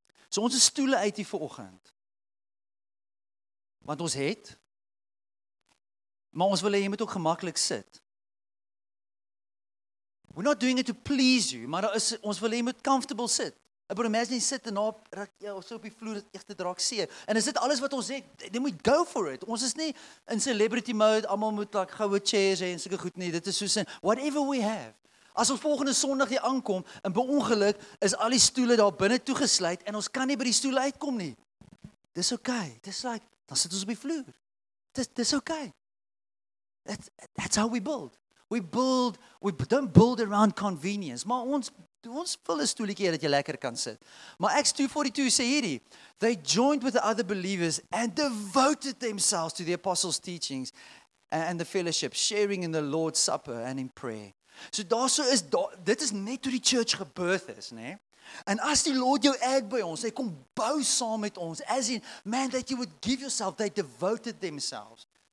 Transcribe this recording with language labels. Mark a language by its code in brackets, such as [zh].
[af] So ons stoele uit hier vanoggend. Want ons het. Maar ons wil hê jy moet ook gemaklik sit. [en] We're not doing it to please you, [af] maar daar is ons wil hê jy moet comfortable sit. Ek bedoel imagine jy sit en op raak jy ja, so op die vloer dat ek te draak seer. En is dit alles wat ons het? Jy moet [en] go for it. [af] Ons is nie in celebrity mode, almal moet like goue chairs hê en sulke goed nie. Dit is soos in, [en] whatever we have. [af] As ons volgende Sondag hier aankom en by ongeluk is al die stoele daar binne toegesluit en ons kan nie by die stoel uitkom nie. Dis okay. Dis like dan sit ons op die vloer. Dis okay. [en] That's how we build. We don't build around convenience. [af] Maar ons vul 'n stoeltjie dat jy lekker kan sit. Maar Acts 2:42 sê hierdie, [en] they joined with the other believers and devoted themselves to the apostles' teachings and the fellowship, sharing in the Lord's Supper and in prayer. [af] So dit is net hoe die church gebirth is, né? En as die Lord jou add by ons, hy kom bou saam met ons, as in, man, [en] that you would give yourself, they devoted themselves.